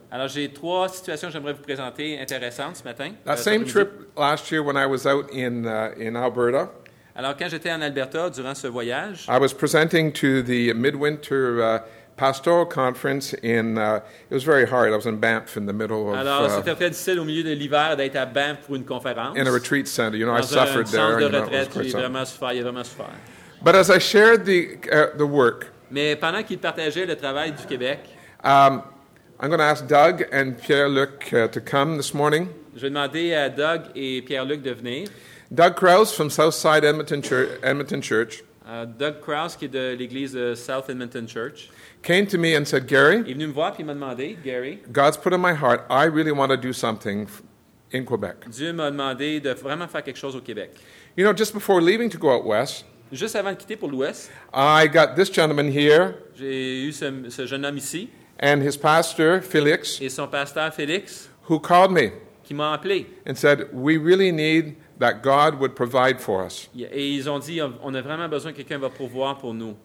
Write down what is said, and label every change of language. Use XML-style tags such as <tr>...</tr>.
<fr>Alors j'ai 3 situations que j'aimerais vous présenter intéressantes ce matin.</fr> <en>That same trip last year when I was out in Alberta. Alors quand j'étais en Alberta durant ce voyage. I was presenting to the midwinter pastoral conference in, it was very hard. I was in Banff in the middle of...</en> <fr>Alors, c'était très difficile au milieu de l'hiver d'être à Banff pour une conférence.</fr> <en>In a retreat center, you know,</en> <fr>dans</fr> <en>I suffered there.</en> <fr>Dans un centre de retraite, j'ai vraiment souffert, il a vraiment souffert.</fr> <en>But as I shared the work...</en> <fr>Mais pendant qu'il partageait le travail du Québec...</fr> <en>I'm going to ask Doug and Pierre-Luc to come this morning.</en> <fr>Je vais demander à Doug et Pierre-Luc de venir.</fr> <en>Doug Krause from Southside Edmonton Church.</en> <fr>Doug Krause, qui est de l'église de South Edmonton Church,</fr> <en>came to me and said, Gary,</en> <fr>il est venu me voir, puis il m'a demandé, Gary,</fr> <en>God's put in my heart, I really want to do something in Quebec.</en> <fr>Dieu m'a demandé de vraiment faire quelque chose au Québec.</fr> <en>You know, just before leaving to go out west,</en> <fr>juste avant de quitter pour l'ouest,</fr> <en>I got this gentleman here.</en> <fr>J'ai eu ce jeune homme ici.</fr> <en>And his pastor, Felix.</en> <fr>Et son pasteur, Felix.</fr> <en>Who called me.</en> <fr>Qui m'a appelé.</fr> <en>And said, we really need that God would provide for us.</en> <fr>Et ils ont dit, on a vraiment besoin que quelqu'un va pourvoir pour nous.</fr>